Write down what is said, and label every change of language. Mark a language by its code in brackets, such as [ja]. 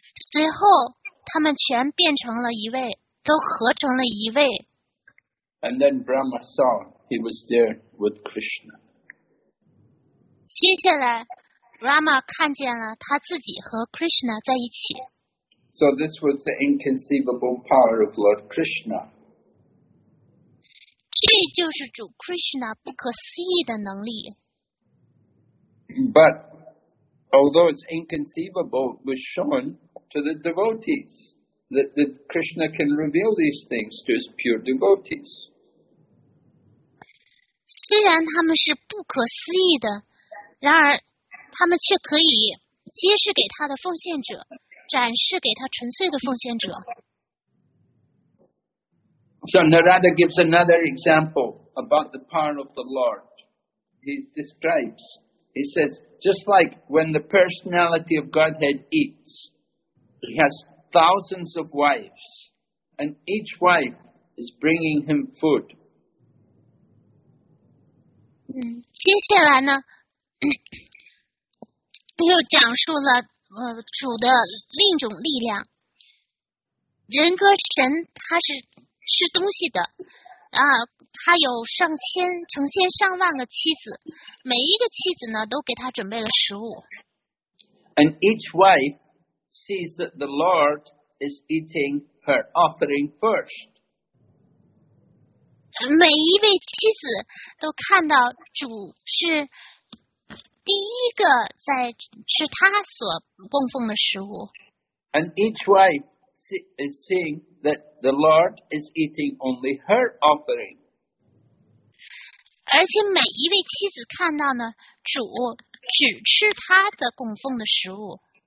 [zh] 随后，他们全变成了一位，都合成了一位。 [en] And then Brahma saw he was there with Krishna. [zh] 接下来 ，Brahma 看见了他自己和 Krishna 在一起。 [en] So this was the inconceivable power of Lord Krishna. [zh] 这就是主 Krishna 不可思议的能力。 [en] But although it's inconceivable, it was shown to the devotees that Krishna can reveal these things to his pure devotees. [zh] 虽然他们是不可思议的，然而他们却可以揭示给他的奉献者。展示给他纯粹的奉献者。 [en] So Narada gives another example about the power of the Lord. He describes, he says, just like when the personality of Godhead eats, he has thousands of wives, and each wife is bringing him food. [zh] 接下来呢，又讲述了主的另一种力量，人格神他是吃东西的啊，他有上千、成千上万个妻子，每一个妻子呢都给他准备了食物。 [en] And each wife sees that the Lord is eating her offering first. [zh] 每一位妻子都看到主是。第一个在吃他所供奉的食物。 [en] And each wife is seeing that the Lord is eating only her offering. [zh] 而且每一位妻子看到呢，主只吃他的供奉的食物。